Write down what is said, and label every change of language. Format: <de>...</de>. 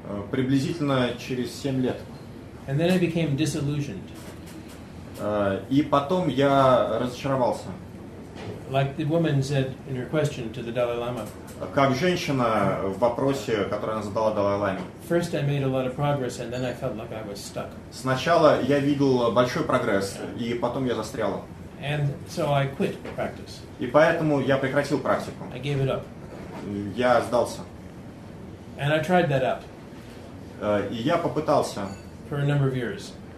<ru>Приблизительно через 7 лет.</ru> <en>And then I became disillusioned.</en> <ru>И потом я разочаровался.</ru> <en>Like the woman said in her question to the Dalai Lama.</en> <ru>Как женщина в вопросе, который она задала Далай Ламе.</ru> <en>First I made a lot of progress and then I felt like I was stuck.</en> <ru>Сначала я видел большой прогресс, и потом я застряла.</ru> <en>And so I quit practice.</en> <ru>И поэтому я прекратил практику.</ru> <en>I gave it up.</en> <ru>Я сдался.</ru> <en>And I tried that out.</en> <ru>И я попытался.</ru> <en>For a number of years.</en>